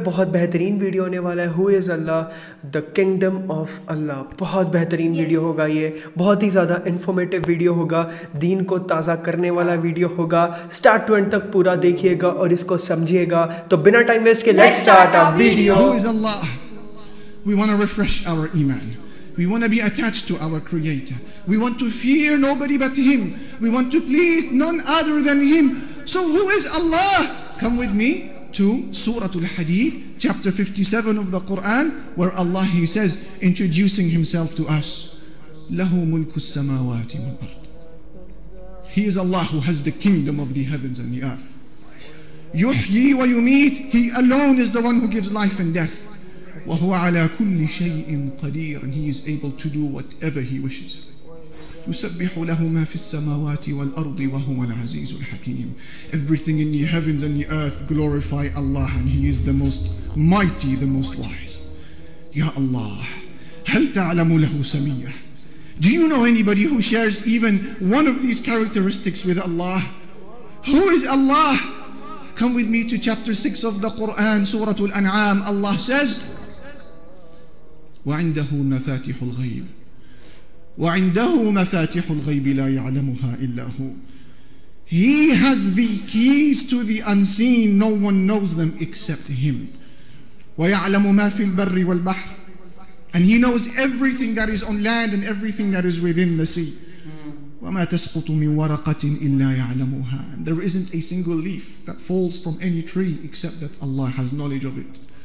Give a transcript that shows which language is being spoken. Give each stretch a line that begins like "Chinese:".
Urdu: بہت بہترین ویڈیو ہونے والا ہے.
English: Who is Allah, the kingdom of Allah.
Urdu: بہت بہترین ویڈیو ہوگا یہ, بہت ہی زیادہ انفارمیٹیو ویڈیو ہوگا, دین کو تازہ کرنے والا ویڈیو ہوگا. سٹارٹ ٹو اینڈ تک پورا دیکھیے گا اور اس کو سمجھیے گا. تو بنا ٹائم ویسٹ کے
English: Let's start our video. Who is Allah, we want to refresh our iman. We want to be attached to our Creator. We want to fear nobody but Him. We want to please none other than Him. So who is Allah? Come with me to Surah Al-Hadid, chapter 57 of the Quran, where Allah, He says, introducing Himself to us,
Arabic: لَهُ مُلْكُ السَّمَاوَاتِ وَالْأَرْضِ.
English: He is Allah who has the kingdom of the heavens and the earth.
Arabic: يُحْيِي وَيُمِيتِ.
English: He alone is the one who gives life and death.
Arabic: وَهُوَ عَلَىٰ كُلِّ شَيْءٍ قَدِيرٍ.
English: He is able to do whatever He wishes.
Arabic: يُسَبِّحُ لَهُ مَا فِي السَّمَاوَاتِ وَالْأَرْضِ وَهُوَ الْعَزِيزُ الْحَكِيمُ.
English: Everything in the heavens and the earth glorify Allah, and He is the most mighty, the most wise.
Arabic: Ya Allah, هَلْ تَعْلَمُ لَهُ سَمِيَّةً.
English: Do you know anybody who shares even one of these characteristics with Allah? Who is Allah? Come with me to chapter 6 of the Quran, Surah Al-An'am. Allah says,
Arabic: وعنده مفاتيح الغيب وعنده مفاتيح الغيب لا يعلمها الا هو.
English: He has the keys to the unseen, no one knows them except Him.
Arabic: ويعلم ما في البر والبحر,
English: and He knows everything that is on land and everything that is within the sea.
Arabic: وما تسقط من ورقة الا يعلمها,
English: and there isn't a single leaf that falls from any tree except that Allah has knowledge of it.